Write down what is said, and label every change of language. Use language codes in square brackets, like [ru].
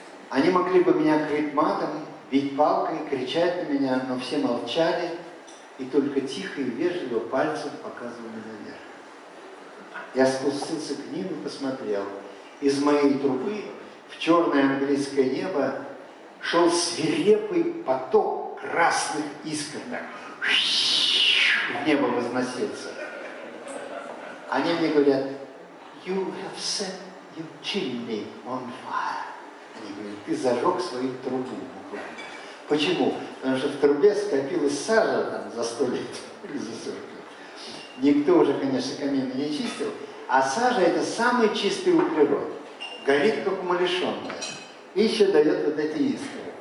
[ru] Они могли бы меня крыть матом, бить палкой, кричать на меня, но все молчали, и только тихо и вежливо пальцем показывали на. Я спустился к ним и посмотрел. Из моей трубы в черное английское небо шел свирепый поток красных искр. В небо возносился. Они мне говорят, [en] you have set your chimney on fire. [ru] Они говорят, ты зажег свою трубу буквально. Почему? Потому что в трубе скопилась сажа там за 100 лет или за 40 лет. Никто уже, конечно, камин не чистил. А сажа – это самый чистый углерод. Горит, как умалишенная. И еще дает вот эти искры.